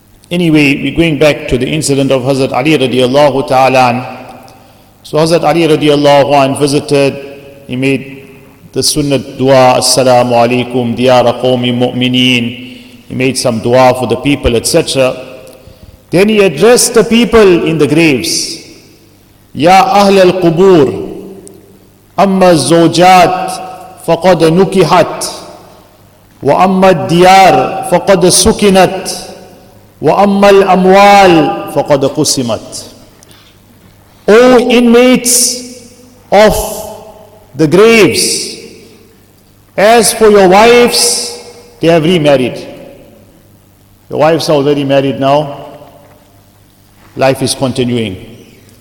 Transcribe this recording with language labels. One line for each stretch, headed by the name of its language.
English: Anyway, we're going back to the incident of Hazrat Ali radiallahu ta'ala. So Hazrat Ali radiallahu an visited, he made the sunnah dua,
Arabic: assalamu alaikum diyara qawmi mu'mineen.
English: He made some dua for the people, etc. Then he addressed the people in the graves.
Arabic: Ya ahl al-qubur, amma zawjat فَقَدْ نُكِحَتْ وَأَمَّا الدِّيَارِ فَقَدْ سُكِنَتْ وَأَمَّا الْأَمْوَالِ فَقَدْ قُسِمَتْ.
English: O inmates of the graves, as for your wives, they have remarried. Your wives are already married now. Life is continuing.